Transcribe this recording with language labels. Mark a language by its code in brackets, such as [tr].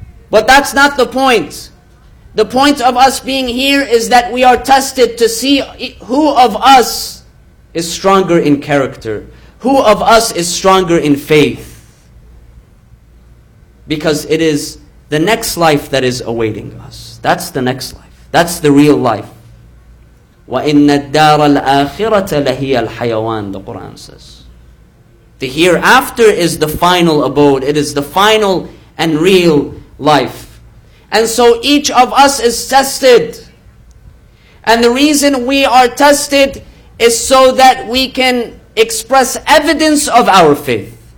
[en] But that's not the point. The point of us being here is that we are tested to see who of us is stronger in character. Who of us is stronger in faith? Because it is the next life that is awaiting us. That's the next life. That's the real life. [ar] وَإِنَّ الدَّارَ الْآخِرَةَ لَهِيَ الْحَيَوَانِ, [en] the Quran says. The hereafter is the final abode. It is the final and real life. And so each of us is tested. And the reason we are tested is so that we can express evidence of our faith.